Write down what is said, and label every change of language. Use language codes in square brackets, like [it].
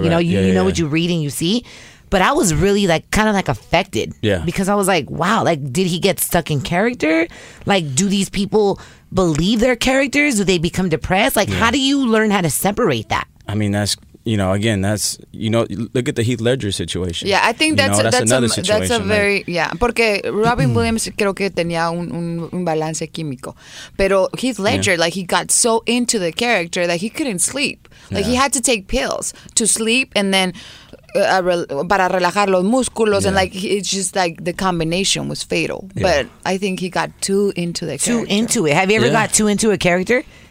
[en] You know, what you read and you see. But I was really like kind of like affected. Yeah. Because I was like, wow, like did he get stuck in character? Like, do these people believe their characters? Do they become depressed? Like, how do you learn how to separate that? I mean, that's, you know, again, that's, you know, look at the Heath Ledger situation. Yeah, I think that's another situation. [es] Porque Robin Williams creo que tenía un balance químico. [en] Pero Heath Ledger, like he got so into the character that he couldn't sleep. Like he had to take pills to sleep and then [es] para relajar los músculos [en] and like it's just like the combination was fatal. Yeah. But I think he got too into the character. Too into it. Have you ever got too into a character?